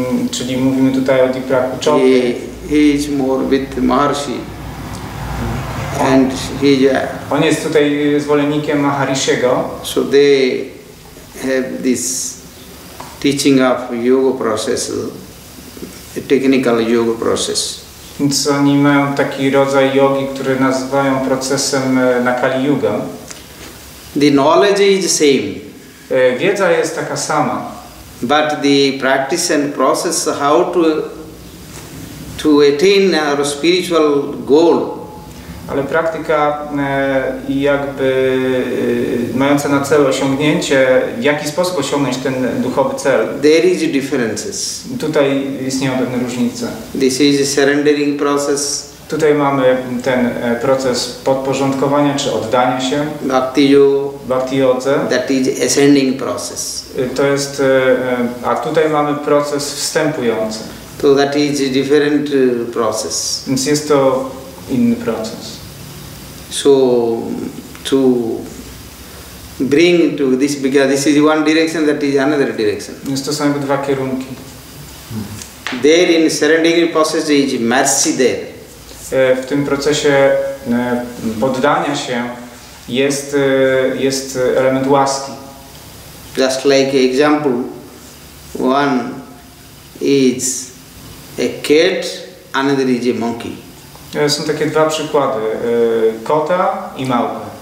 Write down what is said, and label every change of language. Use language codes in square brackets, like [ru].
[pl] Czyli mówimy tutaj o Deepaku Chopra. [en] He is more with Maharshi. And he is. [pl] On jest tutaj zwolennikiem Maharishiego. [en] So they have this teaching of yoga process. Technical yoga process. [pl] Więc oni mają taki rodzaj jogi, który nazywają procesem na Kali Yuga. [en] The knowledge is the same. [pl] Wiedza jest taka sama. [en] But the practice and process how to attain our spiritual goal. [pl] Ale praktyka jakby mająca na celu osiągnięcie, w jaki sposób osiągnąć ten duchowy cel. [en] There is differences. [pl] Tutaj istnieją pewne różnice. [en] This is a surrendering process. [pl] Tutaj mamy ten proces podporządkowania czy oddania się. [en] Bhakti Yoga. That is ascending process. [pl] To jest, a tutaj mamy proces wstępujący. [en] So that is a different process. [pl] Więc jest to inny proces. [en] So to bring to this because this is one direction, that is another direction. [pl] Więc to są jakby dwa kierunki. [en] There in surrendering process is mercy there. [pl] W tym procesie poddania się jest element łaski. [en] Just like example, one is a cat, another is a monkey. [pl] Są takie dwa przykłady, kota i małpa.